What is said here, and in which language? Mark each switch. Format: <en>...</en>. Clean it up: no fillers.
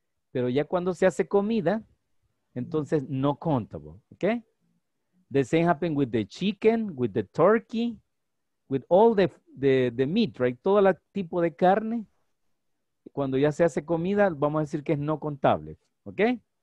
<es>Pero ya cuando se hace comida, entonces</es> <en>no countable,</en> <es>okay?</es> <en>The same happen with the chicken, with the turkey, with all the meat, right?</en> <es>Todo el tipo de carne, cuando ya se hace comida, vamos a decir que es no contable, okay?</es>